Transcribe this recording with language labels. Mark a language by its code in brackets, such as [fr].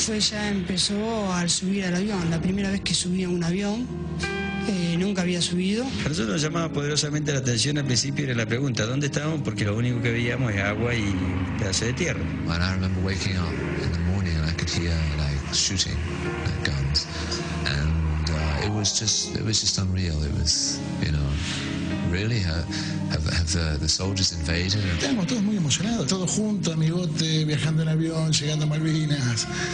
[es] Ya empezó al subir al avión, la primera vez que subía a un avión, nunca había subido. A nosotros nos llamaba poderosamente la atención al principio, era la pregunta, ¿dónde estábamos? Porque lo único que veíamos es agua y pedazos de tierra. [en] When I remember waking up in the morning and I could hear like shooting, like guns, and it was just unreal. It was, you know, really, have the soldiers invaded? [es] Estábamos todos muy emocionados, todos juntos, amigote, viajando en avión, llegando a Malvinas.